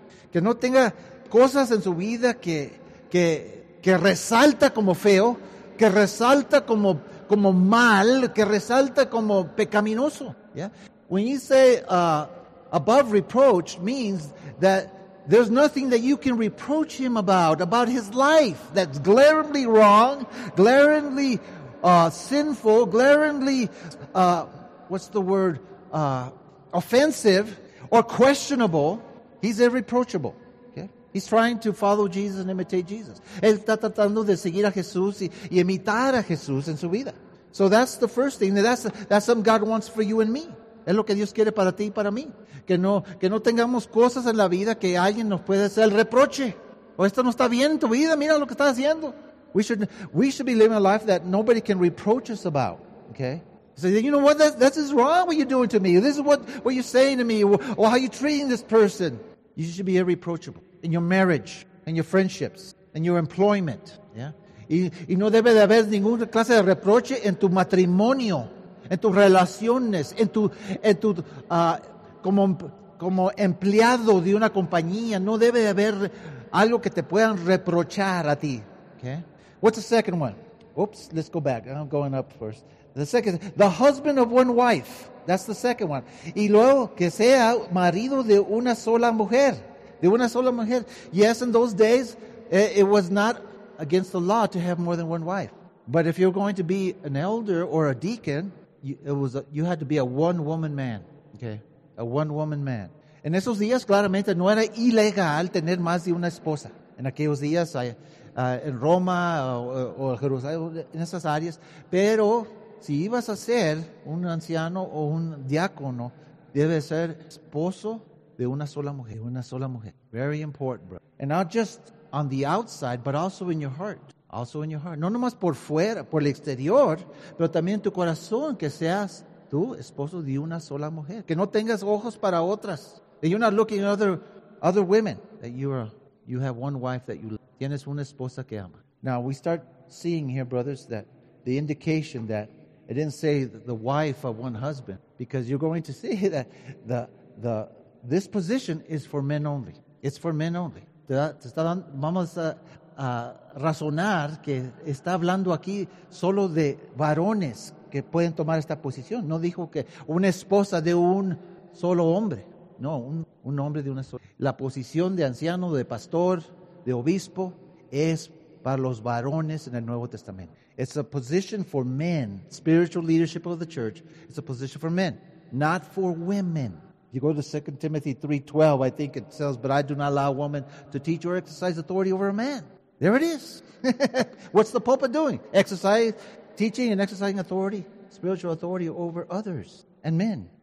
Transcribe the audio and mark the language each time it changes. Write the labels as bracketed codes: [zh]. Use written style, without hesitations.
[es] Que no tenga cosas en su vida que resalta como feo, que resalta como mal, que resalta como pecaminoso. Yeah? [en] When you say above reproach, means that there's nothing that you can reproach him about his life that's glaringly wrong, glaringly sinful, glaringly, offensive or questionable. He's irreproachable. He's trying to follow Jesus and imitate Jesus. [es] Él está tratando de seguir a Jesús y imitar a Jesús en su vida. [en] So that's the first thing. That's something God wants for you and me. [es] Es lo que Dios quiere para ti y para mí. Que no tengamos cosas en la vida que alguien nos puede hacer el reproche. O esto no está bien en tu vida. Mira lo que estás haciendo. [en] We should be living a life that nobody can reproach us about. Okay? So you know what? That is wrong what you're doing to me. This is what you're saying to me. Or how you're treating this person. You should be irreproachable. In your marriage, in your friendships, in your employment. Yeah? [es] Y no debe de haber ninguna clase de reproche en tu matrimonio, en tus relaciones, como empleado de una compañía. No debe de haber algo que te puedan reprochar a ti. [en] Okay? What's the second one? Oops, let's go back. I'm going up first. The second, the husband of one wife. That's the second one. [es] Y luego que sea marido de una sola mujer. De una sola mujer. [en] Yes, in those days, it was not against the law to have more than one wife. But if you're going to be an elder or a deacon, you had to be a one-woman man. Okay? A one-woman man. [es] En esos días, claramente, no era ilegal tener más de una esposa. En aquellos días, en Roma o Jerusalén, en esas áreas. Pero si ibas a ser un anciano o un diácono, debe ser esposo de una sola mujer. [en] Very important, bro. And not just on the outside, but also in your heart. Also in your heart. [es] No nomás por fuera, por el exterior, pero también tu corazón, que seas tú esposo de una sola mujer. Que no tengas ojos para otras. [en] That you're not looking at other women. That you have one wife that you love. [es] Tienes una esposa que ama. [en] Now we start seeing here, brothers, that the indication that it didn't say the wife of one husband, because you're going to see that this position is for men only. It's for men only. [es] Vamos a razonar que está hablando aquí solo de varones que pueden tomar esta posición. No dijo que una esposa de un solo hombre. No, un hombre de una sola. La posición de anciano, de pastor, de obispo, es para los varones en el Nuevo Testamento. [en] It's a position for men. Spiritual leadership of the church. It's a position for men, not for women. You go to 2 Timothy 3:12, I think it says, but I do not allow a woman to teach or exercise authority over a man. There it is. What's the pulpit doing? Teaching and exercising authority, spiritual authority over others and men.